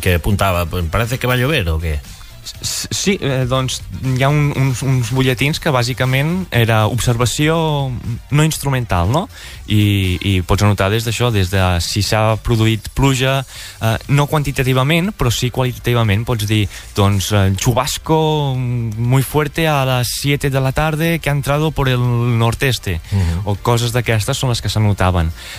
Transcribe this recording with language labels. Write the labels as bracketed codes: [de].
[ca] Que apuntava, [es] parece que va llover [ca] o què? Sí, doncs hi ha uns butlletins que bàsicament era observació no instrumental, no? I pots anotar des d'això, des de si s'ha produït pluja, no quantitativament, però sí qualitativament. Pots dir, doncs, [es] chubasco muy fuerte a las 7 de la tarde que ha entrado por el nordeste. [ca] Uh-huh. O coses d'aquestes són les que s'anotaven.